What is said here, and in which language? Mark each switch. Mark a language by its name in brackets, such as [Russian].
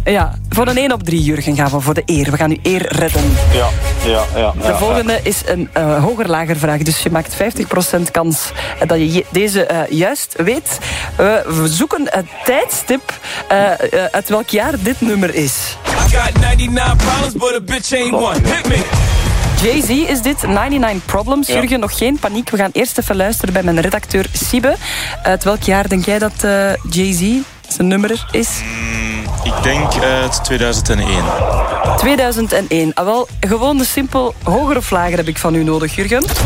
[Dutch] Ja, voor een 1 op 3, Jurgen, gaan we voor de eer. We gaan uw eer redden. De volgende is een hoger-lager vraag. Dus je maakt 50% kans dat je deze juist weet. We zoeken het tijdstip uit welk jaar dit nummer is. [English] I got 99 problems, but a bitch ain't one. Hit me. [Dutch] Jay-Z is dit, 99 Problems. Ja. Jurgen, nog geen paniek. We gaan eerst even luisteren bij mijn redacteur Siebe. Uit welk jaar denk jij dat Jay-Z zijn nummer is? Ik denk uit 2001. 2001. Ah, wel, gewoon de simpel hoger of lager heb ik van u nodig, Jurgen.